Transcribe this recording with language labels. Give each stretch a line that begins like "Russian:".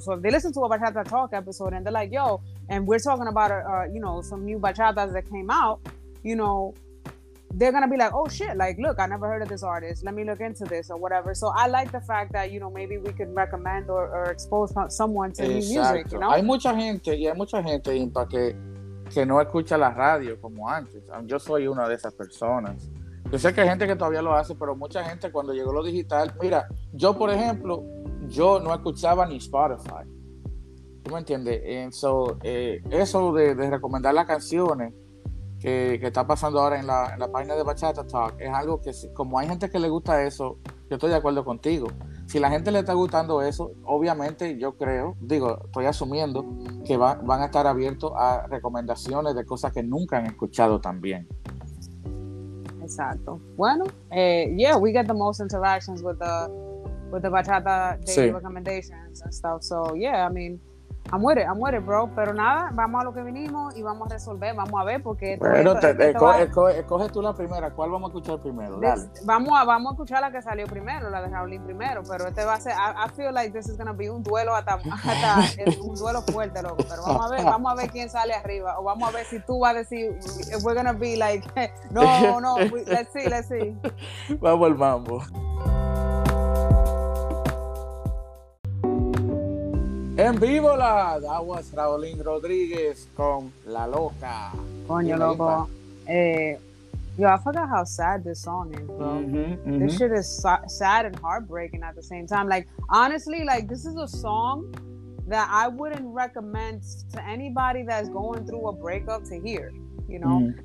English: So they listen to a Bachata Talk episode and they're like, yo, and we're talking about you know, some new bachatas that came out, you know, they're gonna be like, oh shit, like, look, I never heard of this artist, let me look into this or whatever. So I like the fact that, you know, maybe we could recommend or expose someone to
Spanish: exacto.
English: New music, you know?
Spanish: Hay mucha gente, y hay mucha gente, Impa, que no escucha la radio como antes. Yo soy una de esas personas. Yo sé que hay gente que todavía lo hace, pero mucha gente cuando llegó lo digital, mira, yo, por ejemplo, yo no escuchaba ni Spotify. ¿Tú me entiendes? And so, eso de recomendar las canciones que está pasando ahora en la página de Bachata Talk, es algo que, como hay gente que le gusta eso, yo estoy de acuerdo contigo. Si la gente le está gustando eso, obviamente yo creo, digo, estoy asumiendo que van a estar abiertos a recomendaciones de cosas que nunca han escuchado también. Exacto.
English: Bueno, we get the most interactions with the Bachata Daily
Spanish: sí.
English: Recommendations and stuff. So, yeah, I mean, I'm with it, bro.
Spanish: Pero nada, vamos a lo que vinimos y vamos a resolver, vamos a ver, porque... Bueno, escoge tú la primera. ¿Cuál vamos a escuchar primero? Dale. Vamos a escuchar la que salió primero, la de Raulin primero, pero este va a ser...
English: I feel like this is going to be un duelo hasta un duelo fuerte, loco.
Spanish: Pero vamos a ver quién sale arriba, o vamos a ver si tú vas a decir, if we're going to be like, no, let's see. Vamos al mambo. En vivo la Aguas Raulin Rodríguez con La Loca. Coño, loco.
English: I forgot how sad this song is, bro. Mm-hmm. This shit is sad and heartbreaking at the same time. Like, honestly, like, this is a song that I wouldn't recommend to anybody that's going through a breakup to hear, you know? Mm.